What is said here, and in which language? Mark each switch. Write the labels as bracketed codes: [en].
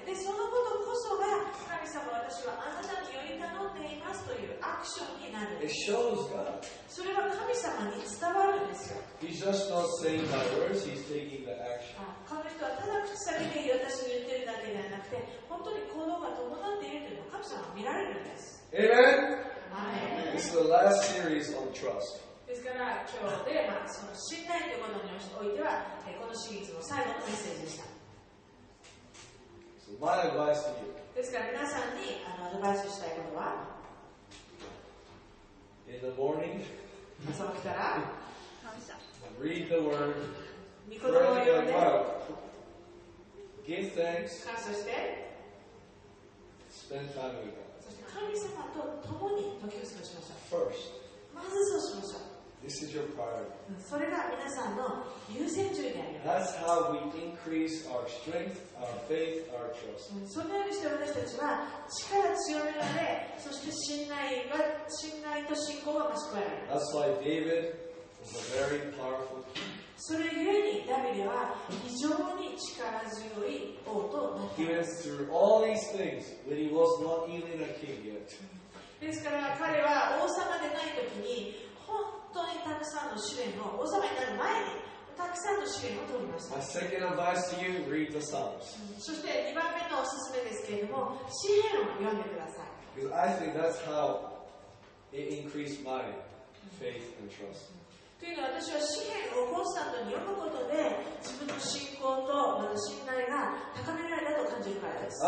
[ja] で、そのことこそが、神様、私はあなたにより頼んでいますというアクションになる。 [en] It shows God. [ja] それは神様に伝わるんですよ。 [en] He's just not saying my words, he's taking the action. [ja] この人はただ口先で私に言ってるだけではなくて、本当に行動が伴っているというのを神様は見られるんです。 [en] Amen? Amen. This is the last series on trust. [ja] ですから今日で、まあ、その信頼というものにおいては、このシリーズの最後のメッセージでした。 [en] So、my advice to you. [ja] ですから皆さんにあのアドバイスしたいことは、 [en] In the morning, [ja] 朝起きたら、 [en] read the word, [ja] 御言葉を読んで、 [en] give thanks, [ja] 感謝して、 [en] spend time with God. [ja] そして神様と共に時を過ごしましょう。 [en] First. [ja] まずそうしましょう。 [en] This is your priority. [ja] それが皆さんの優先順位であります。 [en] That's how we increase our strength, our faith, our trust. [ja] そのようにして私たちは力強められ、そして信頼と信仰は増し加えられ。 [en] That's why David was a very powerful king. [ja] それゆえにダビデは非常に力強い王となっています。 [en] He went through all these things when he was not even a king yet. [ja] ですから彼は王様でないときに本当にたくさんの試練を王様になる前にたくさんの試練を通りました。 [en] My second advice to you, read the Psalms. [ja] そして2番目のおすすめですけれども詩編を読んでください。 [en] Because I think that's how it increased my faith and trust. [ja] というのは私は詩編をコンスタントに読むことで自分の信仰とまた信頼が高められたと感じるからです。